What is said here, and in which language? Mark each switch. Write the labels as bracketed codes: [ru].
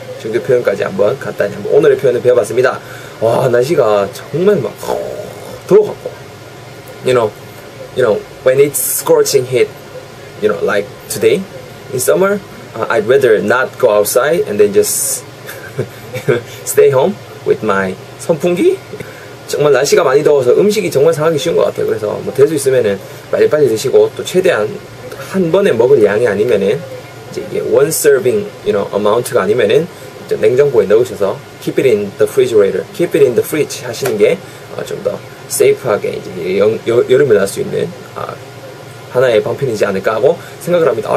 [ko] 정도 표현까지 한번 간단히 한번 오늘의 표현을 배워봤습니다. 와, 날씨가 정말 막 더워갖고. [en] You know, when it's scorching heat, you know, like today, in summer, I'd rather not go outside and then just stay home with my [ko] 선풍기. 정말 날씨가 많이 더워서 음식이 정말 상하기 쉬운 것 같아요. 그래서 뭐 될 수 있으면은 빨리 드시고 또 최대한 한 번에 먹을 양이 아니면은 이제 이게 [en] one serving you know amount [ko] 가 아니면은 이제 냉장고에 넣으셔서 [en] keep it in the refrigerator, keep it in the fridge [ko] 하시는 게 좀 더 safe하게 이제 여름에 날 수 있는 하나의 방편이지 않을까 하고 생각을 합니다.